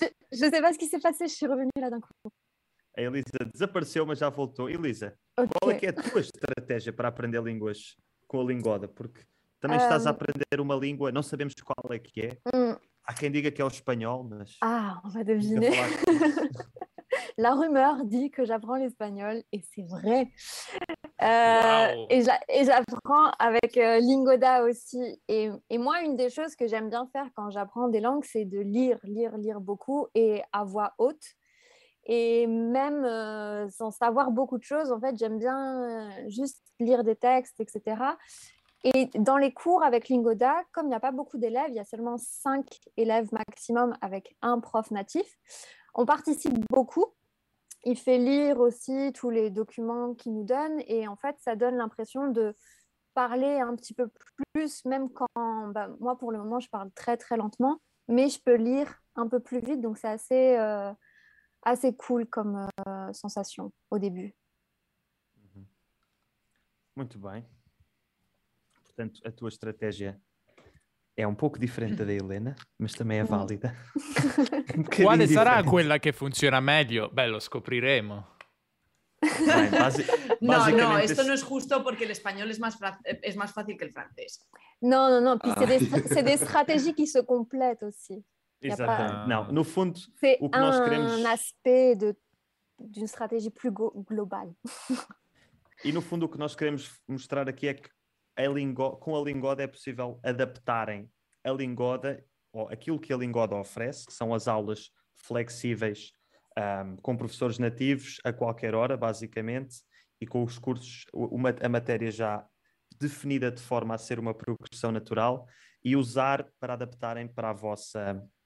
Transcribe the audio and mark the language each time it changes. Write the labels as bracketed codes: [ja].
[fr] Je ne sais pas ce qui s'est passé, je suis revenue là d'un coup. [pt] A Elisa desapareceu, mas já voltou. Elisa, qual é que é a tua estratégia para aprender línguas com a Lingoda? Porque também estás a aprender uma língua, não sabemos qual é que é. Há quem diga que é o espanhol, mas... [fr] Ah, on va deviner. La rumeur dit que j'apprends l'espagnol, et c'est vrai. Et j'apprends avec Lingoda aussi. Et moi, une des choses que j'aime bien faire quand j'apprends des langues, c'est de lire beaucoup et à voix haute. Et même sans savoir beaucoup de choses, en fait, j'aime bien juste lire des textes, etc. Et dans les cours avec Lingoda, comme il n'y a pas beaucoup d'élèves, il y a seulement 5 élèves maximum avec un prof natif, on participe beaucoup. Il fait lire aussi tous les documents qu'il nous donne. Et en fait, ça donne l'impression de parler un petit peu plus, même quand, ben, moi, pour le moment, je parle très, très lentement, mais je peux lire un peu plus vite. Donc, c'est assez... assez cool comme sensation au début. [pt] Muito bem. Portanto, a tua estratégia é um pouco diferente da Helena, mas também é válida. [it] Quale sarà quella che funziona meglio? Beh, lo scopriremo. [es] No, esto no es justo porque el español es más fácil que el francés. No. [fr] Puis c'est des stratégies qui se complètent aussi. [pt] Exatamente. Não, no fundo, [fr] c'est [pt] o que nós queremos... [fr] un aspect d'une stratégie plus globale. [pt] E no fundo, o que nós queremos mostrar aqui é que com a Lingoda é possível adaptarem a Lingoda, ou aquilo que a Lingoda oferece, que são as aulas flexíveis com professores nativos a qualquer hora, basicamente, e com os cursos, a matéria já definida de forma a ser uma progressão natural, e usar para adaptarem para a vossa...